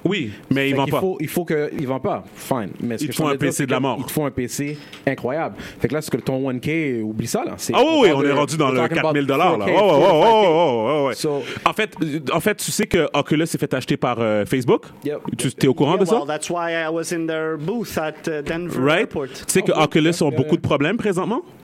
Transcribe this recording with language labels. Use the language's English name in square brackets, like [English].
[French] Oui, mais il vend pas. Il vend pas. Fine. Mais il te faut un PC de la mort. Il te faut un PC incroyable. Fait que là, c'est que ton 1K, oublie ça là. Ah oui, on est rendu dans le 4 000 $ là. En fait, tu sais que Oculus s'est fait acheter par Facebook. Yep. Tu es au courant de ça? [English] Well, that's why I was in their booth at Denver Airport. [French] Tu sais que Oculus ont beaucoup de problèmes présentement?